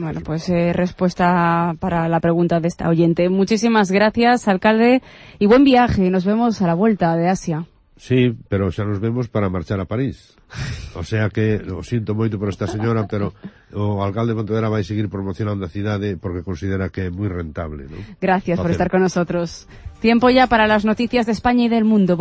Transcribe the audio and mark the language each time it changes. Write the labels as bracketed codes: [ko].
[es] Bueno, pues respuesta para la pregunta desta oyente. Muchísimas gracias, alcalde, y buen viaje. Nos vemos a la vuelta de Asia. [gl] Sí, pero xa nos vemos para marchar a París. O sea que, lo siento moito por esta señora, pero o alcalde de Pontevedra vai seguir promocionando a cidade porque considera que é moi rentable, ¿no? [es] Gracias por estar con nosotros. Tiempo ya para las noticias de España y del mundo.